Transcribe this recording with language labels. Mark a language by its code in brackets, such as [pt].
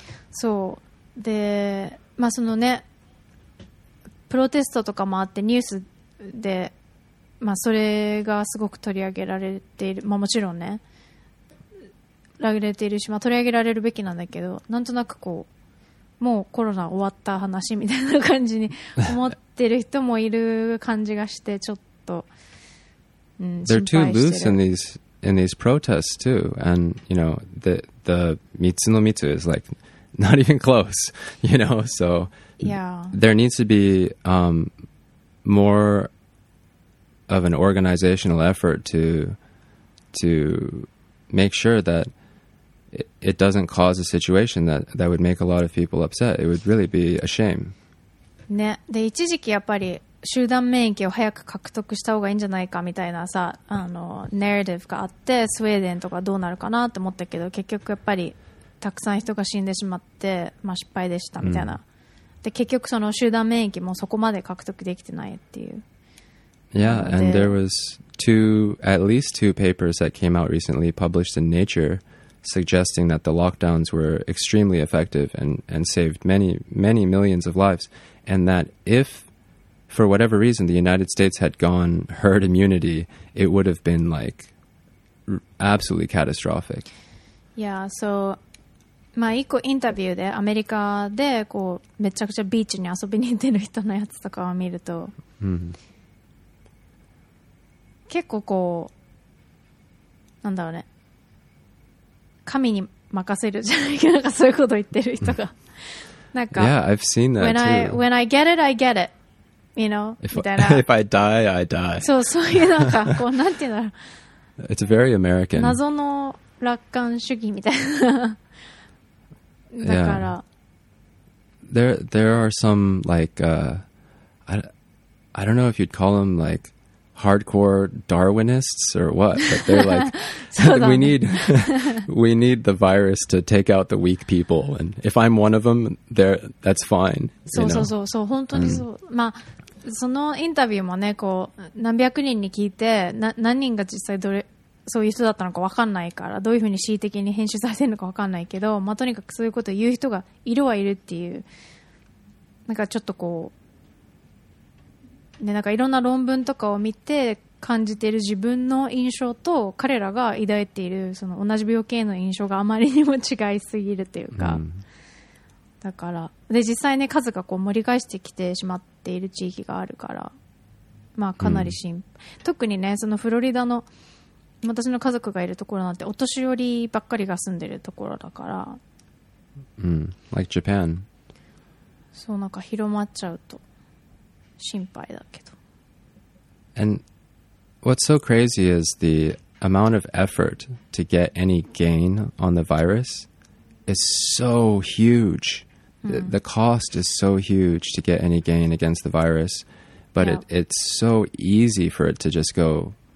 [ja] そうで、まあそのねプロテストとかもあってニュースでまあ、それがすごく取り上げられている、まあ、もちろんね上げられているし、まあ、取り上げられるべきなんだけど、なんとなくこうもうコロナ終わった話みたいな感じに思ってる人もいる感じがしてちょっと、うん、心配してる。 [en] They're too loose in these protests too. And you know the Mitsunomitsu is like not even close, you know. So there needs to be moreof an organizational effort to make sure that it doesn't cause a situation that would make a lot of people upset. It would really be a shame. [ja] ね、で一時期やっぱり集団免疫を早く獲得した方がいいんじゃないかみたいなさ、あのナラティブがあって、スウェーデンとかどうなるかなって思ったけど、結局やっぱりたくさん人が死んでしまって、まあ、失敗でしたみたいな。で結局その集団免疫もそこまで獲得できてないっていう。 [en] Yeah, and there was at least two papers that came out recently published in Nature suggesting that the lockdowns were extremely effective and saved many, many millions of lives. And that if, for whatever reason, the United States had gone herd immunity, it would have been like absolutely catastrophic. Yeah, so... [ja] まあ、一個インタビューでアメリカでこうめちゃくちゃビーチに遊びに出る人のやつとかを見ると、 mm-hmm. 結構こうなんだろうね神に任せるじゃないかなんかそういうこと言ってる人がなんか [en] Yeah, I've seen that too. When I get it, I get it. You know? [ja] みたいな [en] If I die, I die. [ja] そうそういうなんかこうなんていうんだろう [en] It's very American. [ja] 謎の楽観主義みたいな [en] Yeah. There are some like I don't know if you'd call them like hardcore Darwinists or what, but they're like we need the virus to take out the weak people, and if I'm one of them, there that's fine. So so so so [ja] 本当にそう、まあ、そのインタビューもね、こう何百人に聞いて、何人が実際どれそういう人だったのか分かんないからどういうふうに恣意的に編集されてるのか分かんないけど、まあ、とにかくそういうことを言う人がいるはいるっていうなんかちょっとこう、ね、なんかいろんな論文とかを見て感じている自分の印象と彼らが抱いているその同じ病気への印象があまりにも違いすぎるというか、だからで実際ね数がこう盛り返してきてしまっている地域があるから、まあ、かなり心配、特にねそのフロリダの私の家族がいるところなんてお年寄りばっかりが住んでるところだから、 [en] うん、like Japan。 [ja] そうなんか広まっちゃうと心配だけど。 [en] And what's so crazy is the amount of effort to get any gain on the virus is so huge. The cost is so huge to get any gain against the virus, but it's so easy for it to just go.